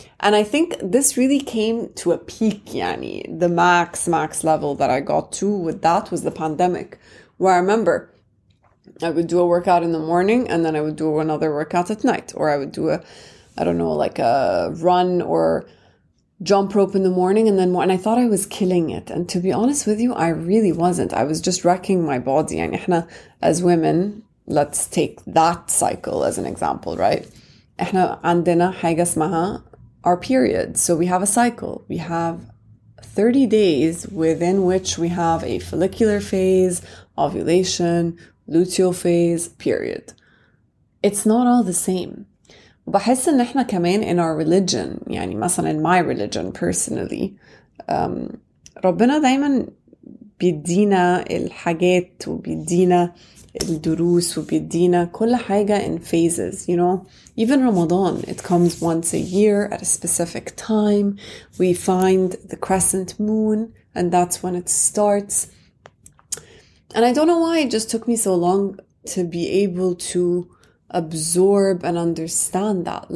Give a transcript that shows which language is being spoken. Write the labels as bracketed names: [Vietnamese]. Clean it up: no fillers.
[English] And I think this really came to a peak, yani, the max level that I got to with that was the pandemic, where I remember I would do a workout in the morning and then I would do another workout at night, or I would do a, I don't know, like a run or jump rope in the morning and then more. And I thought I was killing it. And to be honest with you, I really wasn't. I was just wrecking my body. And [Arabic] احنا, [English] as women, let's take that cycle as an example, right? [Arabic] احنا عندنا حاجة اسمها [English] our period. So we have a cycle. We have 30 days within which we have a follicular phase, ovulation, luteal phase, period. it's not all the same. [Arabic] بحس ان احنا كمان [English] in our religion, [Arabic] يعني مثلا [English] in my religion personally, [Arabic] ربنا دايما بيدينا الحاجات وبيدينا الدروس وبيدينا كل حاجة [English] in phases, you know. Even Ramadan, it comes once a year at a specific time. We find the crescent moon and that's when it starts. And I don't know why it just took me so long to be able to absorb and understand that.